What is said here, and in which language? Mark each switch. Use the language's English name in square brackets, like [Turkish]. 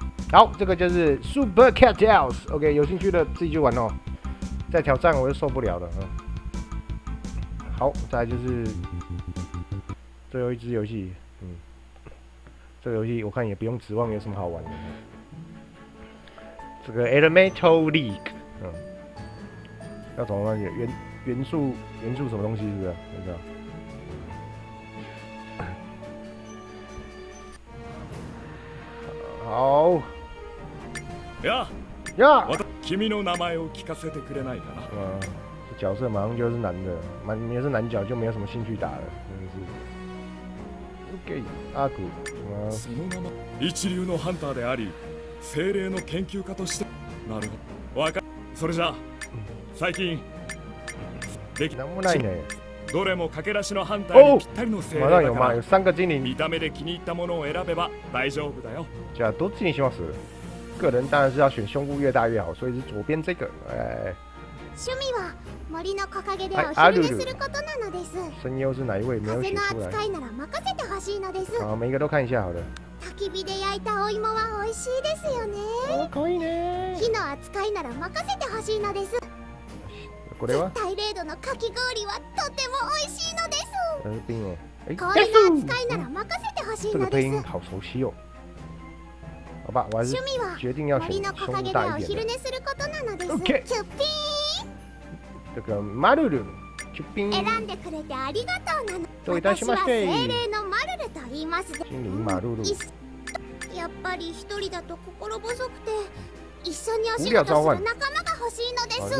[Chinese] 好，这个就是 Super Cat Tales。 OK， 有兴趣的自己去玩哦。再挑战我就受不了了。嗯，好，再来就是最后一支游戏。嗯，这个游戏我看也不用指望有什么好玩的。这个 Elemental League。嗯，要怎么玩？元素什么东西是不是？那个。好。呀呀！我的， [Japanese] 君の名前を聞かせてくれないかな。 [Chinese] 哇，这角色马上就是男的，也是男角，就没有什么兴趣打了，真的是。 OK， 阿古。哇。 [Japanese] その名前、一流のハンターであり、精霊の研究家として。なるほど。わか。それじゃ、最近。できなんもないね。どれも駆け出しのハンターにぴったりの精霊だから。まだよ、 [Chinese] 三個精灵。 [Japanese] 見た目で気に入ったものを選べば大丈夫だよ。じゃあどっちにします？ [Chinese] 个人当然是要选胸部越大越好，所以是左边这个。哎。 [Japanese] 趣味は森の木陰でお昼寝することなのです。 [Chinese] 声優是哪一位？没有写出来。 [Japanese] 風の扱いなら任せてほしいのです。 [Chinese] 好，每一个都看一下好了。 [Japanese] 焚き火で焼いたお芋は美味しいですよね。 [Chinese] 可以ね。 [Japanese] 火の扱いなら任せてほしいのです。これは。絶対零度のかき氷はとても美味しいのです。 [Chinese] 冰を。 [Japanese] 氷の扱いなら任せてほしいのです。 [Chinese] 这个配音好熟悉哦。好吧，我还是决定要选胸大一点的。 [Japanese] 趣味は森の木陰でお昼寝することなのです。OK。 [Chinese] 这个マルル。 [Japanese] 選んでくれてありがとうなの。どういたしまして。私は精霊のマルルと言います。精霊マルル。やっぱり一人だと心細くて、一緒にお仕事する仲間が欲しいのです。